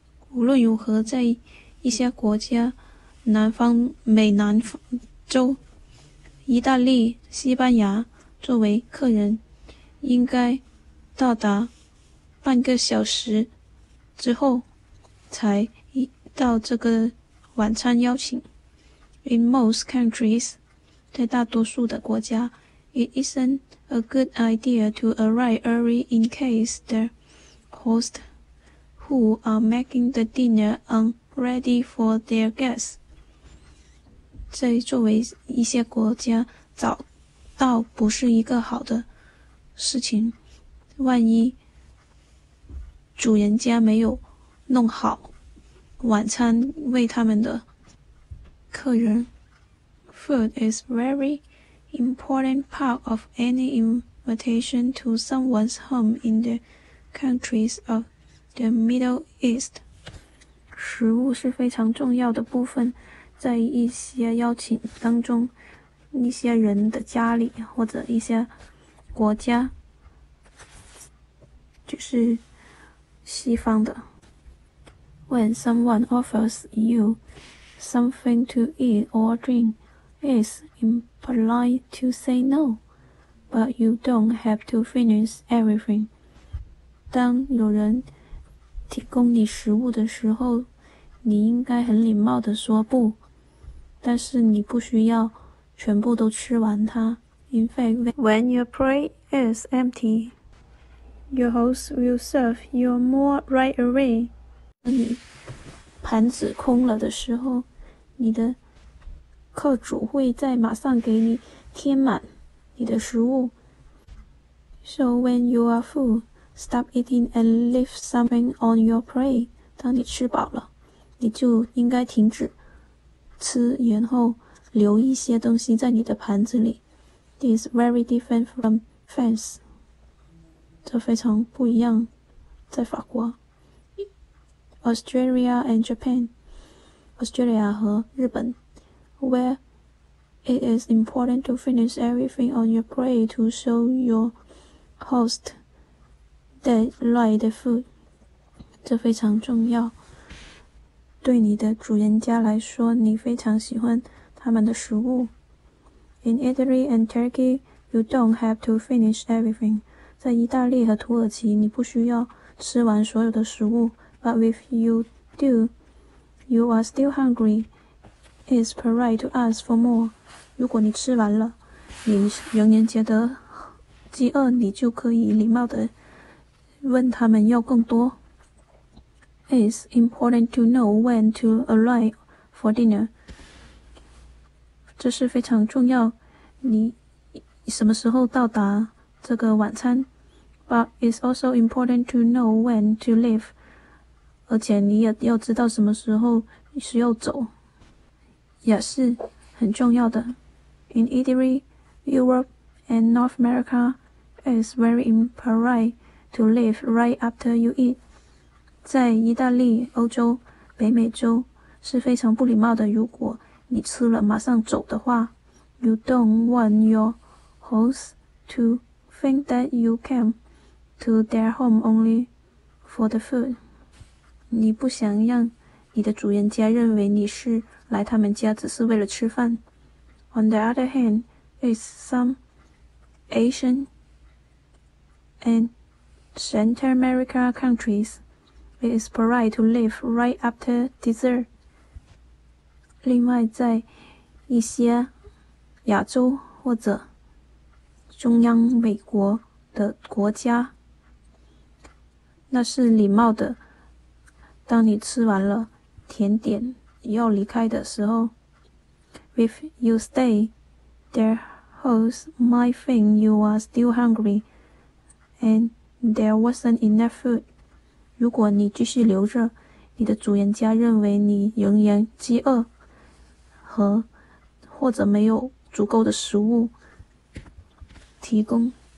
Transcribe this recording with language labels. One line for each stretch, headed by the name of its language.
Chinese: 无论如何，在一些国家，南方美南洲，意大利、西班牙作为客人，应该到达半个小时之后才到这个晚餐邀请。
English: In most countries,
Chinese: 在大多数的国家
English: it isn't a good idea to arrive early in case the hosts who are making the dinner aren't ready for their guests.
Chinese: 在作为一些国家早到不是一个好的事情，万一主人家没有弄好晚餐为他们的客人。
English: Food is very important part of any invitation to someone's home in the countries of the Middle East.
Chinese: 食物是非常重要的部分，在一些邀请当中，一些人的家里或者一些国家，就是西方的。
English: When someone offers youSomething to eat or drink, it's impolite to say no, but you don't have to finish everything.
Chinese: 当有人提供你食物的时候，你应该很礼貌地说不，但是你不需要全部都吃完它。
English: In fact, when your plate is empty, your host will serve you more right away.
Chinese: 你盘子空了的时候，你的客主会再马上给你添满你的食物。
English: So when you are full, stop eating and leave something on your plate.
Chinese: 当你吃饱了，你就应该停止吃，然后留一些东西在你的盘子里。
English: This is very different from France.
Chinese: 这非常不一样，在法国。
English: Australia and Japan. Australia
Chinese: 和日本。
English: Where it is important to finish everything on your plate to show your host that like the food.
Chinese: 这非常重要。对你的主人家来说，你非常喜欢他们的食物。
English: In Italy and Turkey, you don't have to finish everything.
Chinese: 在意大利和土耳其，你不需要吃完所有的食物。
English: But if you do, you are still hungry. It's polite to ask for more.
Chinese: 如果你吃完了，你仍然觉得饥饿，你就可以礼貌地问他们要更多。
English: It's important to know when to arrive for dinner.
Chinese: 这是非常重要，你什么时候到达这个晚餐？
English: But it's also important to know when to leave.
Chinese: 而且你也要知道什么时候需要走，也是很重要的。
English: In Italy, Europe, and North America, it's very impolite to leave right after you eat.
Chinese: 在意大利、欧洲、北美洲是非常不礼貌的。如果你吃了马上走的话，
English: You don't want your host to think that you came to their home only for the food。
Chinese: 你不想让你的主人家认为你是来他们家只是为了吃饭。
English: On the other hand, if some Asian and Central America countries, it is polite to leave right after dessert.
Chinese: 另外，在一些亚洲或者中央美国的国家，那是礼貌的。当你吃完了甜点要离开的时候，
English: If you stay, their host might think you are still hungry, and there wasn't enough food.
Chinese: 如果你继续留着，你的主人家认为你仍然饥饿，或者没有足够的食物提供。